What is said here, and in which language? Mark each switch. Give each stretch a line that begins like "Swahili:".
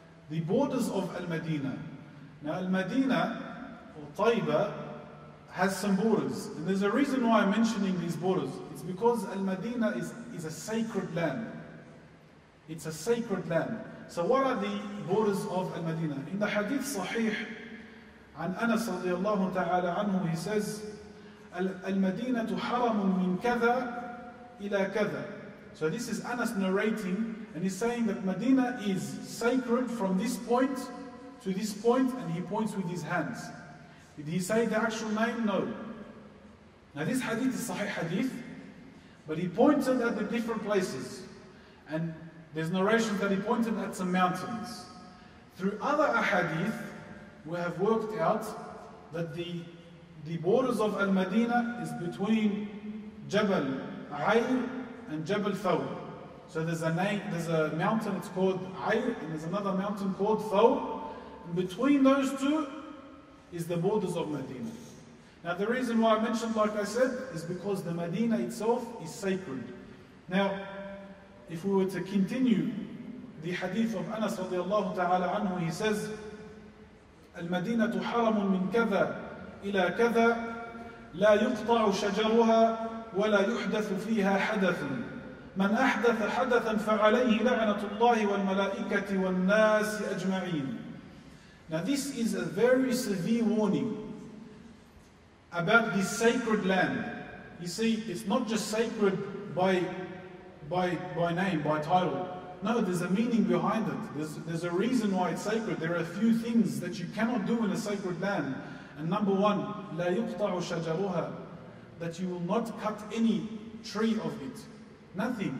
English: The borders of Al-Madina. Now Al-Madina, or Tayyiba, has some borders. And there's a reason why I'm mentioning these borders. It's because Al-Madina is a sacred land. It's a sacred land. So what are the borders of Al-Madina? In the hadith sahih,
Arabic: عن أنس رضي الله تعالى عنه,
English: he says,
Arabic: المدينة حرم من كذا إلى كذا.
English: So this is Anas narrating, and he's saying that Medina is sacred from this point to this point, and he points with his hands. Did he say the actual name? No. Now this hadith is sahih hadith, but he pointed at the different places, and there's narration that he pointed at some mountains. Through other ahadith, we have worked out that the borders of Al-Madina is between Jabal Ayr and Jabal Thawr. So there's a mountain, it's called Ayr, and there's another mountain called Thawr. And between those two is the borders of Medina. Now the reason why I mentioned, like I said, is because the Medina itself is sacred. Now, if we were to continue the hadith of Anas radiallahu ta'ala anhu, he says,
Arabic: المدينة حرم من كذا إلى كذا لا يقطع شجرها ولا يحدث فيها حدث من أحدث حدثا فعليه لعنة الله والملائكة والناس أجمعين.
English: Now this is a very severe warning about this sacred land. You see, it's not just sacred by name, by title. No, there's a meaning behind it. There's a reason why it's sacred. There are a few things that you cannot do in a sacred land. And number one,
Arabic: لا يقطع شجرها,
English: that you will not cut any tree of it. Nothing.